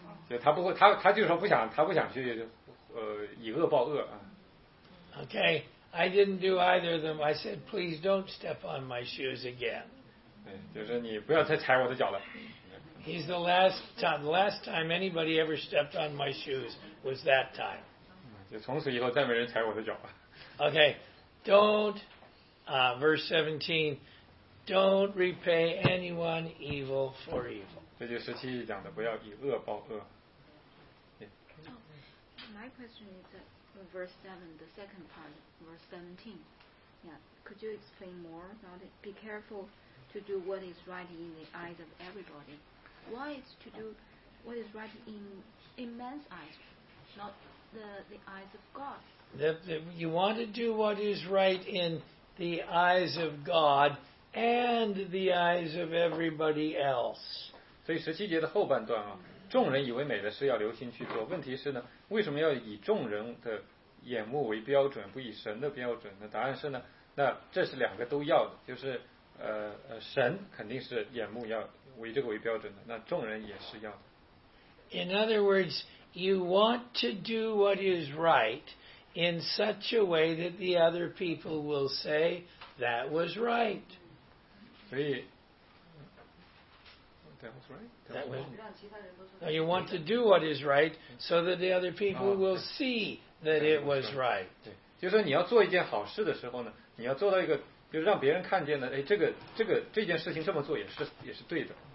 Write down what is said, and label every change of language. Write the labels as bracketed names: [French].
[Chinese] 就他不会，他就说不想去，以恶报恶啊。 [English] Okay, I didn't do either of them. I said, please don't step on my shoes again. [Chinese] 对，就是你不要再踩我的脚了。 [English] He's the last time. The last time anybody ever stepped on my shoes was that time. [Chinese] 就从此以后再没人踩我的脚了。 [English] Okay, don't, verse 17, don't repay anyone evil for evil. [Chinese] 这就十七节讲的，不要以恶报恶。 [English] My question is verse 7, the second part, verse 17. Yeah, could you explain more about it? Be careful to do what is right in the eyes of everybody. Why is to do what is right in man's eyes, not the eyes of God? You want to do what is right in the eyes of God and the eyes of everybody else. [Chinese] 所以十七节的后半段啊，众人以为美的事要留心去做。问题是呢，为什么要以众人的眼目为标准，不以神的标准呢？答案是呢，那这是两个都要的，就是神肯定是眼目要为这个为标准的，那众人也是要的。 [English] In other words, you want to do what is right in such a way that the other people will say that was right. [Chinese] 所以 [English] That was right. You want to do what is right so that the other people will see that it was right. [Chinese] 对，就是说你要做一件好事的时候呢，你要做到一个，就是让别人看见的，哎，这件事情这么做也是对的。